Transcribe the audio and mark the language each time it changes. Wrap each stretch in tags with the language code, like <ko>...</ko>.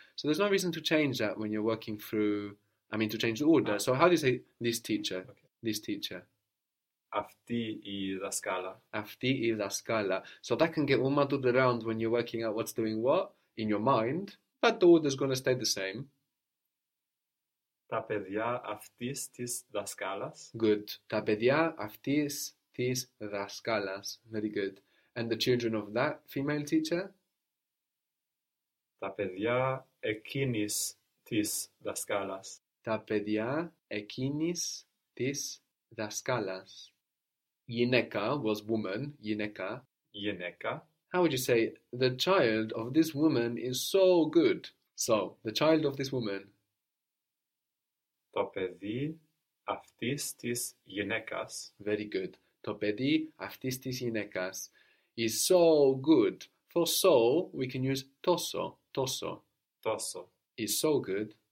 <en>So there's no reason to change that when you're working through, I mean, to change the order. So how do you say this teacher? Okay. This teacher.</en> <el>Αυτή η δασκάλα. Αυτή η δασκάλα.</el> <en>So that can get all muddled around when you're working out what's doing what in your mind. But the order's going to stay the same.</en> <el>Τα παιδιά αυτής της δασκάλας.</el> <en>Good.</en> <el>Τα παιδιά αυτής της δασκάλας.</el> <en>Very good. And the children of that female teacher?</en> <el>Τα παιδιά εκείνης της δασκάλας. Τα παιδιά εκείνης της δασκάλας. Γυναίκα</el> <en>was woman. Γυναίκα.</en> <el>Γυναίκα.</el> <en>How would you say, the child of this woman is so good? So, the child of this woman.</en> <el>Το παιδί αυτής της γυναίκας.</el> <en>Very good.</en> <el>Το παιδί αυτής της γυναίκας</el> <en>is so good. For so, we can use τόσο. Τόσο.</en> <el>Τόσο.</el> <en>Is so good.</en>